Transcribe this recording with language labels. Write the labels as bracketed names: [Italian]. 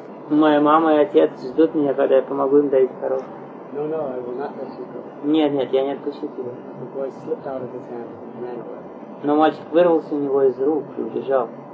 [Russian] Моя мама и отец ждут меня, когда я помогу им доить коров. [English] No, no, I will not let you go. [Russian] Нет, нет, я не отпущу тебя. [English] The boy slipped out of his hand and ran away. [Russian] Но мальчик вырвался у него из рук и убежал.